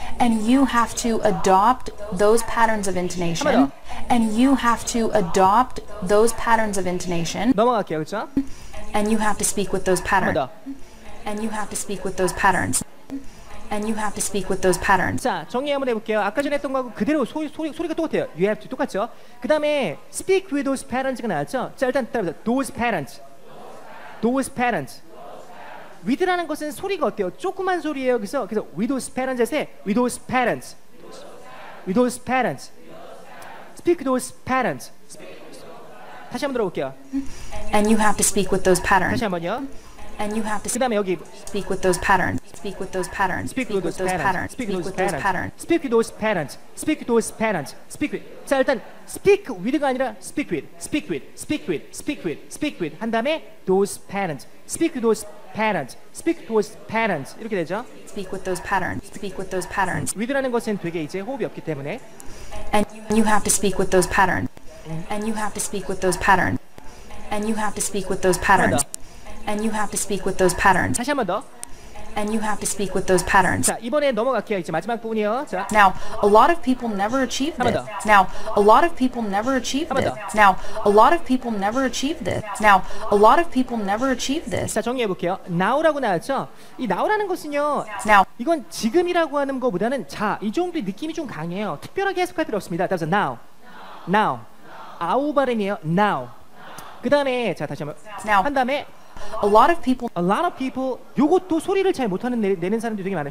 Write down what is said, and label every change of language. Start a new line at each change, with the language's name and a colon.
English: And you have to adopt those patterns of intonation. And you have to adopt those patterns of intonation.
Korean: 넘어갈게요, 그쵸?
English: And you have to speak with those patterns.
Korean: 한번 더.
English: And you have to speak with those patterns. And you have to speak with those patterns.
Korean: 자, 정리 한번 해볼게요. 아까 전에 했던 거하고 그대로 소리가 똑같아요.
English: You have to
Korean: 똑같죠? 그 다음에
English: speak with those patterns가
Korean: 나왔죠? 자, 일단 따라해보세요.
English: Those patterns. Those patterns. With
Korean: 라는 것은 소리가 어때요? 조그만 소리예요. 그래서
English: with those patterns
Korean: 해서 with those patterns.
English: With those patterns. Speak those patterns.
Korean: 다시 한번 들어볼게요.
English: And you have to speak with those patterns.
Korean: 다시 한번요.
English: And you have to.
Korean: 그 다음에 여기
English: speak with those patterns. Speak with those patterns. Speak with those patterns. Speak with those patterns. Speak with those patterns. Speak with those patterns. Speak with.
Korean: 자 일단
English: speak with
Korean: 가 아니라
English: speak with. Speak with. Speak with. Speak with. Speak with.
Korean: 한 다음에
English: those patterns. Speak with those patterns. Speak with those patterns.
Korean: 이렇게 되죠?
English: Speak with those patterns. Speak with those patterns.
Korean: With라는 것은 되게 이제 호흡이 없기 때문에.
English: And you have to speak with those patterns. And you have to speak with those patterns. And you have to speak with those patterns. And you have to speak with those patterns.
Korean: 다시 한 번 더.
English: And you have to speak with those patterns.
Korean: 자, 이번에 넘어갈게요. 이제 마지막 부분이요. 자.
English: Now, a lot of people never achieve this. Now, a lot of people never achieve this. Now, a lot of people never achieve this. Now, a lot of people never achieve this.
Korean: 자, 정리해 볼게요.
English: Now
Korean: 라고 나왔죠? 이
English: now
Korean: 라는 것은요.
English: Now.
Korean: 이건 지금이라고 하는 거보다는 자, 이 정도의 느낌이 좀 강해요. 특별하게 해석할 필요 없습니다. 따라서
English: now. Now.
Korean: 아우 발음이에요.
English: Now.
Korean: 그다음에 자, 다시 한번.
English: Now.
Korean: 한 다음에
English: A lot of people. A lot of people.
Korean: 요것도 소리를 잘 못하는 내는 사람들이 되게 많아요.